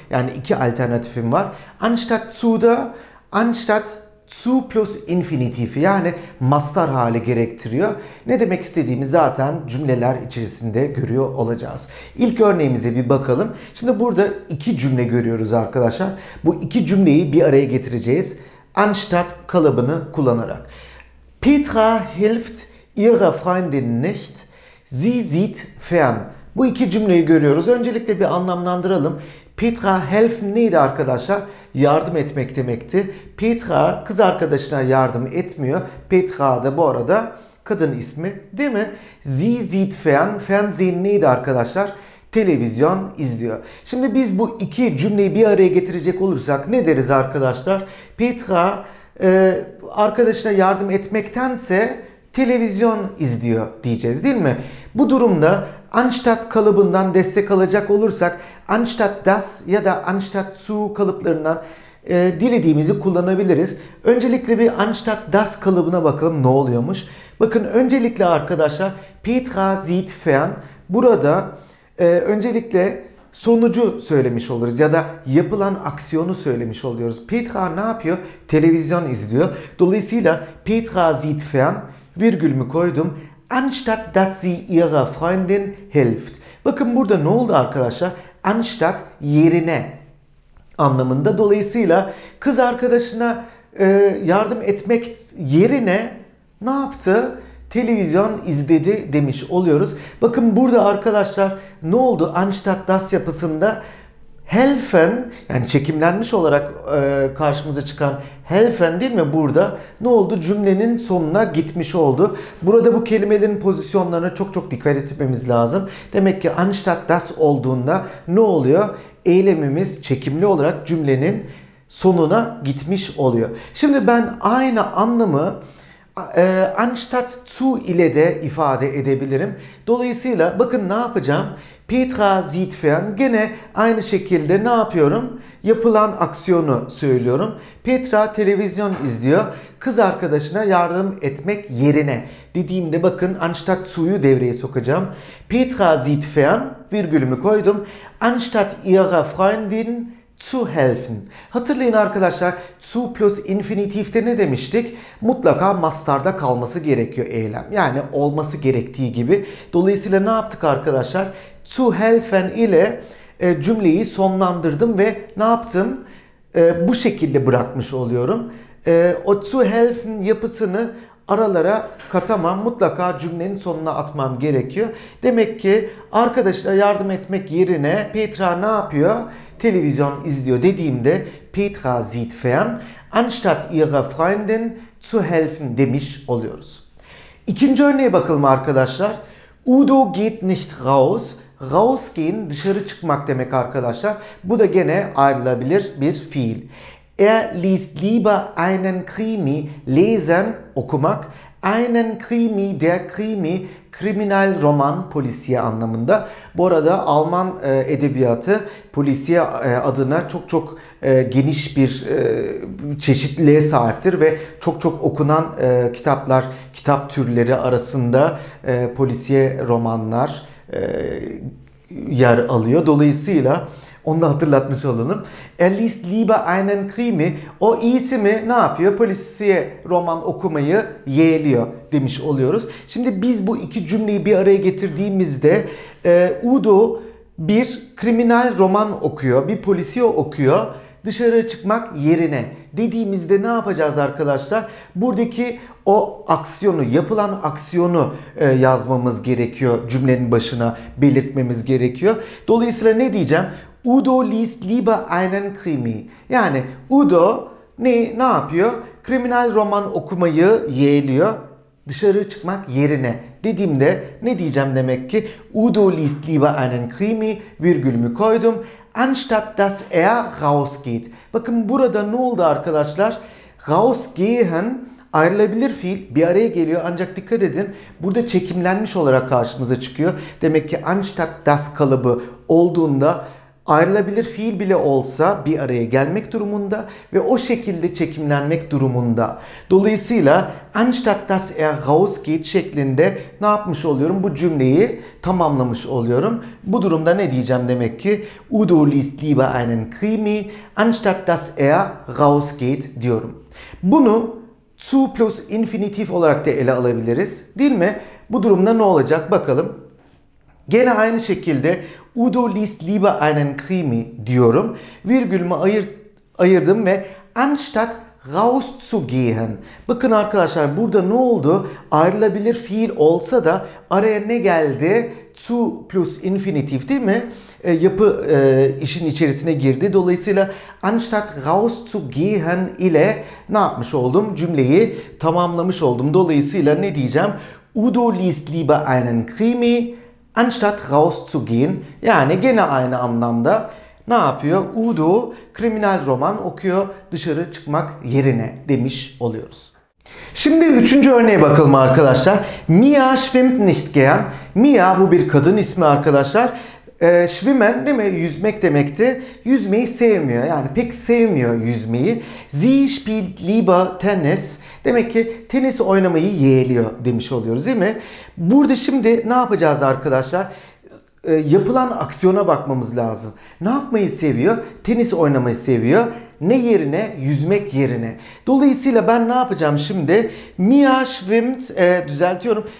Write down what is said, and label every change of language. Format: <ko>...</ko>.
<tr>Yani iki alternatifim var. Anstatt zu da anstatt zu plus infinitifi, yani mastar hali gerektiriyor. Ne demek istediğimi zaten cümleler içerisinde görüyor olacağız. İlk örneğimize bir bakalım. Şimdi burada iki cümle görüyoruz arkadaşlar. Bu iki cümleyi bir araya getireceğiz. Anstatt kalıbını kullanarak.</tr> <de>Petra hilft ihrer Freundin nicht. Sie sieht fern.</de> <tr>Bu iki cümleyi görüyoruz. Öncelikle bir anlamlandıralım. Petra helfen neydi arkadaşlar? Yardım etmek demekti. Petra kız arkadaşına yardım etmiyor. Petra da bu arada kadın ismi, değil mi?</tr> <de>Sie sieht fern.</de> <tr>Fernsehen neydi arkadaşlar? Televizyon izliyor. Şimdi biz bu iki cümleyi bir araya getirecek olursak ne deriz arkadaşlar? Petra arkadaşına yardım etmektense televizyon izliyor diyeceğiz, değil mi? Bu durumda anstatt kalıbından destek alacak olursak, anstatt das ya da anstatt zu kalıplarından dilediğimizi kullanabiliriz. Öncelikle bir anstatt das kalıbına bakalım ne oluyormuş. Bakın öncelikle arkadaşlar,</tr> <de>Petra sieht fern.</de> <tr>Burada öncelikle sonucu söylemiş oluruz ya da yapılan aksiyonu söylemiş oluyoruz. Petra ne yapıyor? Televizyon izliyor.</tr> <de>Dolayısıyla Petra sieht fern,</de> <tr>virgül mü koydum,</tr> <de>anstatt dass sie ihrer Freundin hilft.</de> <tr>Bakın burada ne oldu arkadaşlar? Anstatt yerine anlamında. Dolayısıyla kız arkadaşına yardım etmek yerine ne yaptı? Televizyon izledi demiş oluyoruz. Bakın burada arkadaşlar ne oldu? Anstatt das yapısında helfen, yani çekimlenmiş olarak karşımıza çıkan helfen, değil mi burada? Ne oldu? Cümlenin sonuna gitmiş oldu. Burada bu kelimelerin pozisyonlarına çok çok dikkat etmemiz lazım. Demek ki anstatt das olduğunda ne oluyor? Eylemimiz çekimli olarak cümlenin sonuna gitmiş oluyor. Şimdi ben aynı anlamı anstatt zu ile de ifade edebilirim. Dolayısıyla bakın ne yapacağım?</tr> <de>Petra sieht fern.</de> <tr>Gene aynı şekilde ne yapıyorum? Yapılan aksiyonu söylüyorum. Petra televizyon izliyor. Kız arkadaşına yardım etmek yerine dediğimde bakın anstatt zu'yu devreye sokacağım.</tr> <de>Petra sieht fern,</de> <tr>virgülümü koydum,</tr> <de>anstatt ihrer Freundin zu helfen.</de> <tr>Hatırlayın arkadaşlar, zu plus infinitif'te ne demiştik? Mutlaka mastarda kalması gerekiyor eylem. Yani olması gerektiği gibi. Dolayısıyla ne yaptık arkadaşlar? Zu helfen ile cümleyi sonlandırdım ve ne yaptım? Bu şekilde bırakmış oluyorum. O zu helfen yapısını aralara katamam. Mutlaka cümlenin sonuna atmam gerekiyor. Demek ki arkadaşına yardım etmek yerine Petra ne yapıyor? Televizyon izliyor dediğimde</tr> <de>Petra sieht fern, anstatt ihrer Freundin zu helfen</de> <tr>demiş oluyoruz. İkinci örneğe bakalım arkadaşlar.</tr> <de>Udo geht nicht raus.</de> <tr>Rausgehen dışarı çıkmak demek arkadaşlar. Bu da gene ayrılabilir bir fiil.</tr> <de>Er liest lieber einen Krimi, lesen</de> <tr>okumak.</tr> <de>Einen Krimi, der Krimi,</de> <tr>kriminal roman, polisiye anlamında. Bu arada Alman edebiyatı polisiye adına çok çok geniş bir çeşitliliğe sahiptir ve çok çok okunan kitaplar, kitap türleri arasında polisiye romanlar yer alıyor. Dolayısıyla onu da hatırlatmış olalım.</tr> <de>Er liest lieber einen Krimi.</de> <tr>O iyisi mi ne yapıyor? Polisiye roman okumayı yeğliyor demiş oluyoruz. Şimdi biz bu iki cümleyi bir araya getirdiğimizde Udo bir kriminal roman okuyor, bir polisiye okuyor. Dışarı çıkmak yerine dediğimizde ne yapacağız arkadaşlar? Buradaki o aksiyonu, yapılan aksiyonu yazmamız gerekiyor. Cümlenin başına belirtmemiz gerekiyor. Dolayısıyla ne diyeceğim?</tr> <de>Udo liest lieber einen Krimi.</de> <tr>Yani Udo ne yapıyor? Kriminal roman okumayı yeğliyor. dışarı çıkmak yerine dediğimde ne diyeceğim demek ki?</tr> <de>Udo liest lieber einen Krimi,</de> <tr>virgülümü koydum.</tr> <de>Anstatt dass rausgeht.</de> <tr>Bakın burada ne oldu arkadaşlar? Rausgehen ayrılabilir fiil bir araya geliyor. Ancak dikkat edin burada çekimlenmiş olarak karşımıza çıkıyor. Demek ki anstatt das kalıbı olduğunda ayrılabilir fiil bile olsa bir araya gelmek durumunda ve o şekilde çekimlenmek durumunda. Dolayısıyla</tr> <de>anstatt das rausgeht</de> <tr>şeklinde ne yapmış oluyorum? Bu cümleyi tamamlamış oluyorum. Bu durumda ne diyeceğim demek ki?</tr> <de>Udo liest lieber einen Krimi anstatt das rausgeht</de> <tr>diyorum. Bunu zu plus infinitif olarak da ele alabiliriz. Değil mi? Bu durumda ne olacak bakalım. Gene aynı şekilde</tr> <de>Udo liest lieber einen Krimi</de> <tr>diyorum. Virgülümü ayırdım ve</tr> <de>anstatt rauszugehen.</de> <tr>Bakın arkadaşlar burada ne oldu? Ayrılabilir fiil olsa da araya ne geldi? Zu plus infinitif değil mi? Yapı işin içerisine girdi. Dolayısıyla</tr> <de>anstatt rauszugehen</de> <tr>ile ne yapmış oldum? Cümleyi tamamlamış oldum. Dolayısıyla ne diyeceğim?</tr> <de>Udo liest lieber einen Krimi anstatt rauszugehen.</de> <tr>Yani gene aynı anlamda ne yapıyor? Udo kriminal roman okuyor dışarı çıkmak yerine demiş oluyoruz. Şimdi üçüncü örneğe bakalım arkadaşlar.</tr> <de>Mia schwimmt nicht gern.</de> <tr>Mia bu bir kadın ismi arkadaşlar. Schwimmen değil mi? Yüzmek demekti. Yüzmeyi sevmiyor. Yani pek sevmiyor yüzmeyi.</tr> <de>Sie spielt lieber Tennis.</de> <tr>Demek ki tenis oynamayı yeğliyor demiş oluyoruz değil mi? Burada şimdi ne yapacağız arkadaşlar? Yapılan aksiyona bakmamız lazım. Ne yapmayı seviyor? Tenis oynamayı seviyor. Ne yerine? Yüzmek yerine. Dolayısıyla ben ne yapacağım şimdi?</tr> <de>Mia schwimmt,</de> <tr>düzeltiyorum.</tr>